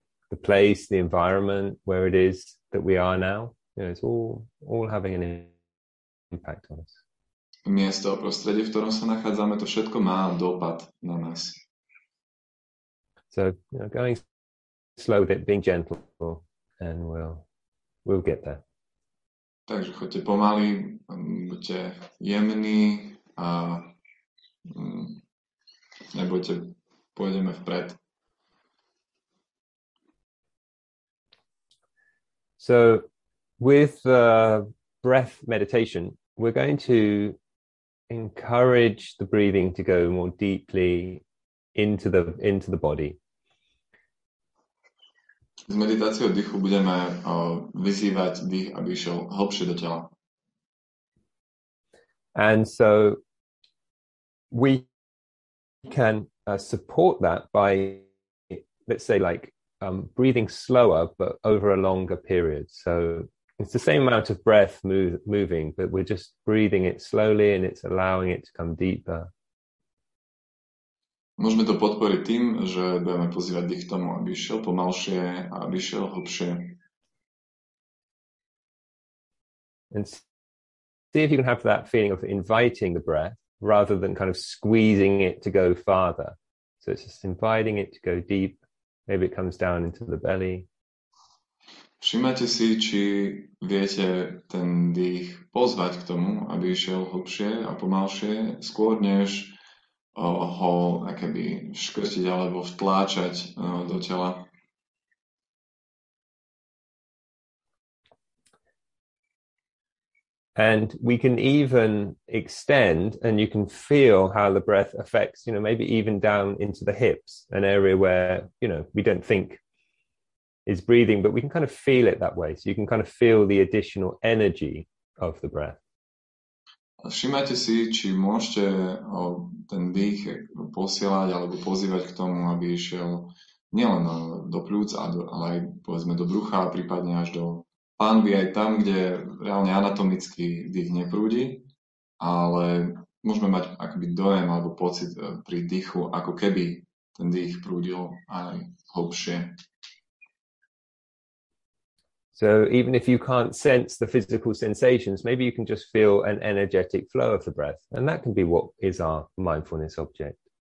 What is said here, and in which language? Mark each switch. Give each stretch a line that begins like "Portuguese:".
English: The place, the environment, where it is that we are now, you know, it's all having an impact on us.
Slovak: Miesto, prostredie, v ktorom sa nachádzame, to všetko má dopad na nás.
English: So, you know, going slow with it, being gentle, and we'll get there.
Slovak: Takže choďte pomaly, buďte jemní a nebuďte, pôjdeme vpred.
English: So with the breath meditation, we're going to encourage the breathing to go more deeply into the body.
Slovak: S meditáciou dýchu budeme vyzývať dých, aby šiel hlbšie do tela.
English: And so we can support that by, let's say, like breathing slower, but over a longer period. So it's the same amount of breath moving, but we're just breathing it slowly and it's allowing it to come deeper.
Slovak: Môžeme to podporiť tým, že budeme pozývať dých k tomu, aby šiel pomalšie a aby šiel hlbšie.
English: And see if you can have that feeling of inviting the breath rather than kind of squeezing it to go farther. So it's just inviting it to go deep. Maybe it comes down into the belly.
Slovak: Všimnite si, či viete ten dých pozvať k tomu, aby šiel hlbšie a pomalšie, skôr než ho akoby škrtiť alebo vtláčať do tela.
English: And we can even extend and you can feel how the breath affects, you know, maybe even down into the hips, an area where, you know, we don't think is breathing, but we can kind of feel it that way. So you can kind of feel the additional energy of the breath.
Slovak: Všimajte si, či môžete ten dých posielať alebo pozývať k tomu, aby išiel nielen do pľúc, ale aj povedzme do brucha a prípadne až do pánvy, aj tam, kde reálne anatomicky dých neprúdi, ale môžeme mať akoby dojem alebo pocit pri dýchu, ako keby ten dých prúdil aj hlbšie.
English: So even if you can't sense the physical sensations, maybe you can just feel an energetic flow of the breath. And that can be what is our mindfulness object.